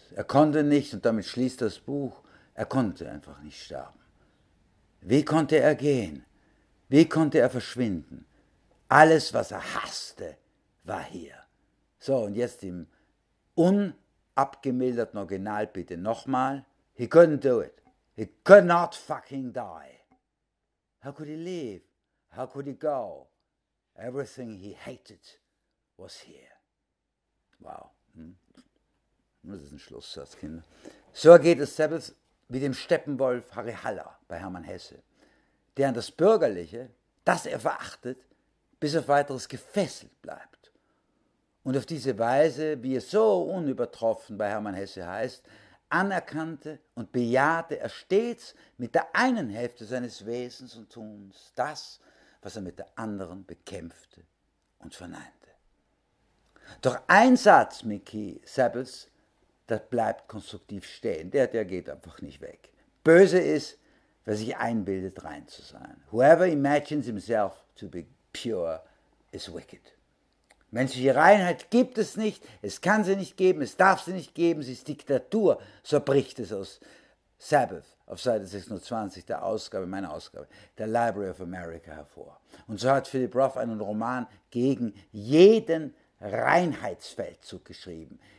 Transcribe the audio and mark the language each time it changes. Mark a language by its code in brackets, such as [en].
[de] Er konnte nicht, und damit schließt das Buch, er konnte einfach nicht sterben. Wie konnte er gehen? Wie konnte er verschwinden? Alles, was er hasste, war hier. So, und jetzt im unabgemilderten Original bitte nochmal. [en] He couldn't do it. He could not fucking die. How could he leave? How could he go? Everything he hated was here. Wow. [de] Das ist ein Schlusssatz, Kinder. So geht es selbst wie dem Steppenwolf Harry Haller bei Hermann Hesse, der an das Bürgerliche, das er verachtet, bis auf Weiteres gefesselt bleibt. Und auf diese Weise, wie es so unübertroffen bei Hermann Hesse heißt, anerkannte und bejahte er stets mit der einen Hälfte seines Wesens und Tuns das, was er mit der anderen bekämpfte und verneinte. Doch ein Satz Mickey Sabbaths, das bleibt konstruktiv stehen, der geht einfach nicht weg. Böse ist, wer sich einbildet, rein zu sein. [en] Whoever imagines himself to be pure is wicked. [de] Menschliche Reinheit gibt es nicht, es kann sie nicht geben, es darf sie nicht geben, sie ist Diktatur. So bricht es aus Sabbath auf Seite 620 der Ausgabe, meiner Ausgabe, der Library of America hervor. Und so hat Philip Roth einen Roman gegen jeden Reinheitsfeldzug geschrieben.